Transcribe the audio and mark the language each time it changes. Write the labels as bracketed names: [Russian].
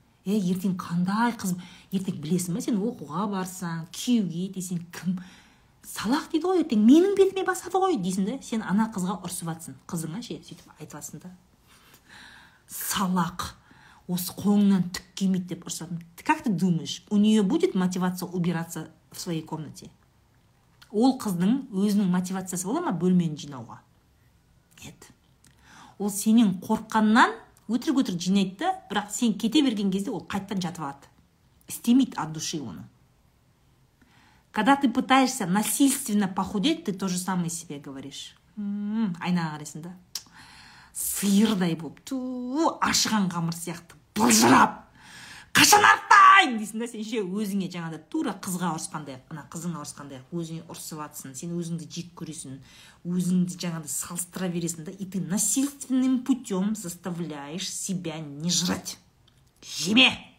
[Kazakh] Ертең қандай қыз? Ертең білесің ба сен оқуға барсаң, күйеуге десең кім? Салақ дейді ғой, ертең менің бетіме басады ғой дейсің да? Сен ана қызға ұрсып атсың. Қызыңа ше, сөйтіп айтасың да. Салақ. Осы қолыңнан түк келмейді деп ұрсатын. [Russian] Как ты думаешь, у нее будет мотивация убираться в своей комнате? [Kazakh] Ол қыздың өзінің мотивациясы бола ма бөлмені жинауға? [Russian] Нет. [Kazakh] Ол сенен қорққаннан өтірік-өтірік жинайды, бірақ сен кете берген кезде ол қайттан жатып алады. Істемейді [Russian] от души [Kazakh] оны. [Russian] Когда ты пытаешься насильственно похудеть, ты то же самое себе говоришь. [Kazakh] Айнаға қарайсың да? Сиырдай болып, ашыған қамыр сияқты, былжырап, қашан арттай айтпаймын дейсің да сен ше өзіңе жаңағыдай тура қызға ұрысқандай ана қызыңа ұрысқандай өзіңе ұрысып жатрсың сен өзіңді жек көресің өзіңді жаңағыдай салыстыра бересің да [Russian] и ты насильственным путем заставляешь себя не жрать [Kazakh] жеме